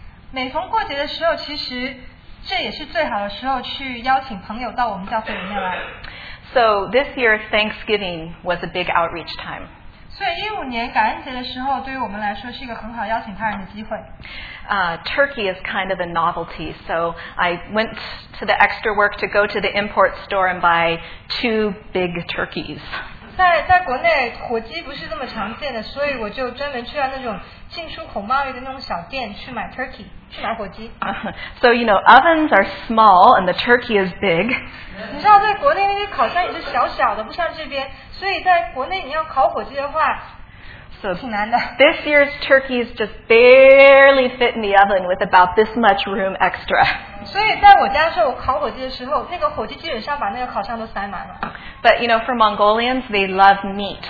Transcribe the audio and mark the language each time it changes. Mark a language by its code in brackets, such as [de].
[zh] 每逢过节的时候，其实这也是最好的时候去邀请朋友到我们教会里面来。 [en] So this year Thanksgiving was a big outreach time. [zh] 所以15年感恩节的时候对于我们来说是一个很好邀请他人的机会。 [en] Turkey is kind of a novelty, so I went to the extra work to go to the import store and buy 2 big turkeys. [zh] 在国内火鸡不是这么常见的，所以我就专门去了那种进出口贸易的那种小店去买 turkey, 去买火鸡。 [en] So you know, ovens are small and the turkey is big. [zh] 你知道在国内那些烤箱也是小小的，不像这边，所以在国内你要烤火鸡的话挺难的。 [en] So, this year's turkeys just barely fit in the oven with about this much room extra. [zh] 所以在我家的时候，我烤火鸡的时候，那个火鸡基本上把那个烤箱都塞满了。 [en] But you know, for Mongolians, they love meat.